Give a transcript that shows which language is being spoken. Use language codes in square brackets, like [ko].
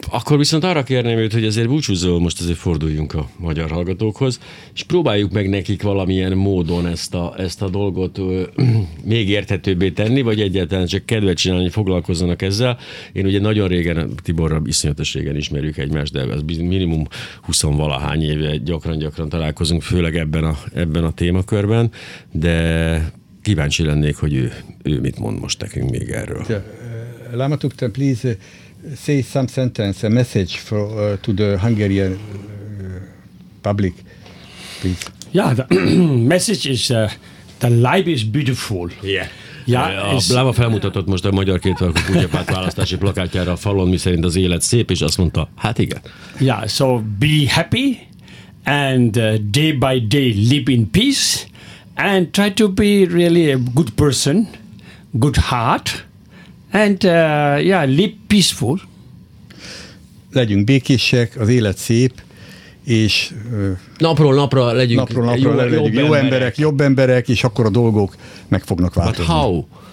[hu] Akkor viszont arra kérném őt, hogy azért búcsúzzol, most azért forduljunk a magyar hallgatókhoz, és próbáljuk meg nekik valamilyen módon ezt a dolgot még érthetőbbé tenni, vagy egyáltalán csak kedvet csinálni, hogy foglalkozzanak ezzel. Én ugye nagyon régen, Tiborra iszonyatos régen ismerjük egymást, de ez minimum 20-valahány éve gyakran-gyakran találkozunk, főleg ebben a témakörben, de kíváncsi lennék, hogy ő mit mond most nekünk még erről. [en] Láma tukta, please say some sentence, a message for, to the Hungarian public, please. Yeah, the message is the life is beautiful. Yeah. [hu] Láma felmutatott most a magyar kétfarkú kutyapárt választási plakátjára a falon, miszerint az élet szép, és azt mondta, hát igen. [en] Yeah, so be happy and day by day live in peace. And try to be really a good person, good heart, and live peaceful. [hu] Legyünk békések, az élet szép, és napról napra legyünk jó emberek, jobb emberek, és akkor a dolgok meg fognak változni.